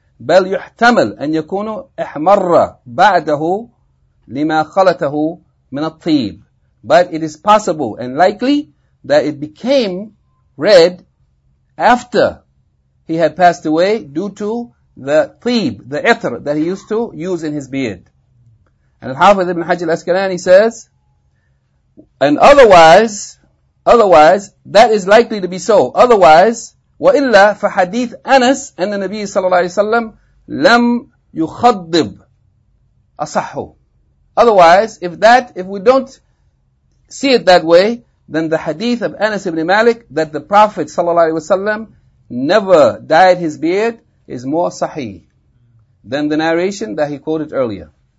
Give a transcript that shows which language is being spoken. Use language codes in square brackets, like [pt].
[ar] بَلْ يُحْتَمَلْ أَنْ يَكُونُ إِحْمَرَّ بَعْدَهُ لِمَا خَلَتَهُ مِنَ الطِّيبِ, [en] but it is possible and likely that it became red after he had passed away due to the طِيب, the ithr that he used to use in his beard. And Al-Hafidh ibn Hajj al-Asqalani says, and otherwise, that is likely to be so. Otherwise, [ar] وَإِلَّا فَحَدِيثْ أَنَسْ أَنَّ النَّبِيِّ صَلَّى اللَّهِ عَلَيْهِ وَسَلَّمَ لَمْ يُخَضِّبْ أَصَحُّ. [en] Otherwise, if we don't see it that way, then the hadith of Anas ibn Malik, that the Prophet صلى الله عليه وسلم never dyed his beard, is more sahih than the narration that he quoted earlier.